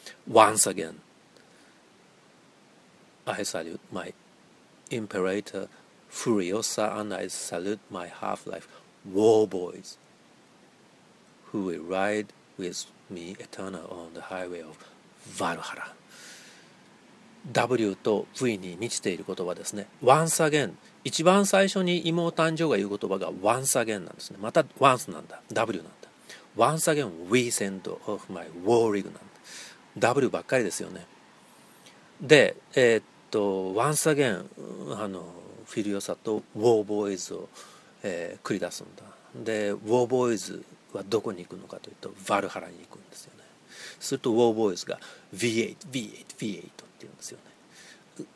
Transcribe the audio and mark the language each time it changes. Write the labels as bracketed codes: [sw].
[en] Once again I salute my imperator Furiosa and I salute my half-life war boys who will ride withme eternal on the highway of Valhalla. [ja] W と V に満ちている言葉ですね。 [en] Once again、 [ja] 一番最初に妹誕生が言う言葉が Once again なんですね。また Once なんだ、 W なんだ。 [en] Once again we send off my war rig [ja] なんだ。 W ばっかりですよね。で、 [en] Once again [ja] あのフィリオサと War Boys を、繰り出すんだ。で、War Boysはどこに行くのかというとヴァルハラに行くんですよね。するとウォーボーイズが V8 V8 V8 って言うんですよね。